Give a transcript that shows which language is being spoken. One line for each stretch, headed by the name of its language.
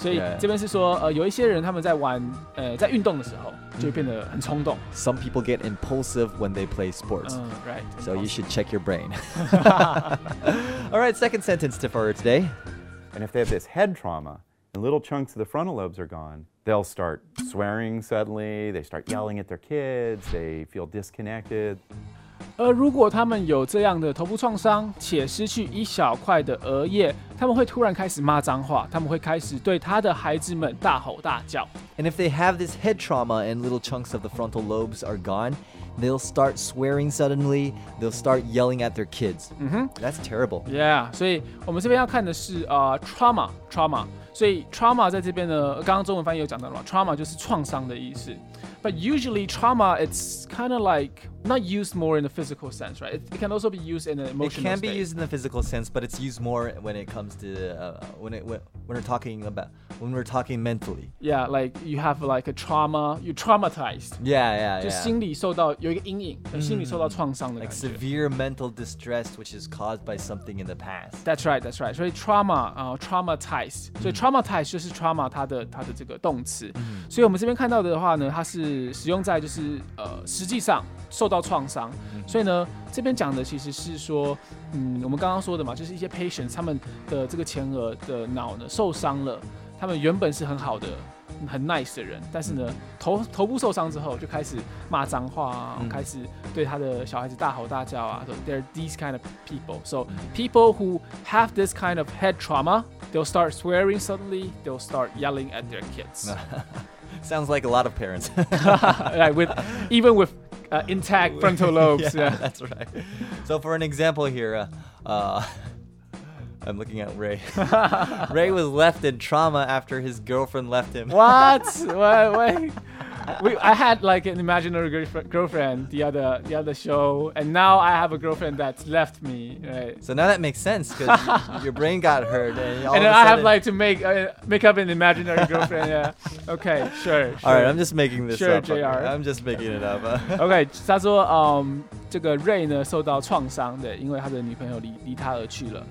Chinese: 所以这边是说有一些人他们在玩在运动的时候就会变得很冲动。
English: Some people get impulsive when they play sports. Right. So、impulsive. You should check your brain. All right, second sentence for today. And if they have this head trauma and little chunks of the frontal lobes are gone, they'll start swearing suddenly, they start yelling at their kids, they feel disconnected.
Chinese: 而如果他们有这样的头部创伤且失去一小块的额叶，他们会突然开始骂脏话，他们会开始对他的孩子们大吼大叫。
English: And if they have this head trauma and little chunks of the frontal lobes are gone, they'll start swearing suddenly, they'll start yelling at their kids. That's terrible.
Chinese: Yeah, 所以我们这边要看的是、trauma. 所以 trauma 在这边呢，刚刚中文翻译有讲到了， trauma 就是创伤的意思。
English: But usually trauma, it's kind of like not used more in the physical sense, right? It can also be used in an emotional sense. It can be Used in the physical sense, but it's used more when it comes to, when we're talking mentally. Yeah, like you have like a trauma, you're traumatized. Yeah.
Chinese: 就心里受到有一个阴影，心里受到创伤的感觉。
English: Like severe mental distress, which is caused by something in the past. That's right.
Chinese: 所以 trauma, traumatized. 所以 traumatized 就是 trauma 它的这个动词。所以我们这边看到的话呢，它是使用在就是实际上受到创伤，所以呢，这边讲的其实是说，我们刚刚说的嘛，就是一些 patients 他们的这个前额的脑呢受伤了，他们原本是很好的、很 nice 的人，但是呢，头部受伤之后就开始骂脏话啊，开始对他的小孩子大吼大叫啊。
English: So they're these kind of people. So people who have this kind of head trauma, they'll start swearing suddenly, they'll start yelling at their kids. Sounds like a lot of parents. Right, even with intact frontal lobes. Yeah, that's right. So for an example here, I'm looking at Ray. Ray was left in trauma after his girlfriend left him. What? I had like an imaginary girlfriend the other show, and now I have a girlfriend that's left me. Right. So now that makes sense because your brain got hurt, and then I have like to make up an imaginary girlfriend. Yeah. Okay. Sure. All right. I'm just making this sure, up. Sure, JR. I'm just making it up. Okay.
Chinese: 他说这个 Ray 呢受到创伤的，因为他的女朋友离他而去了。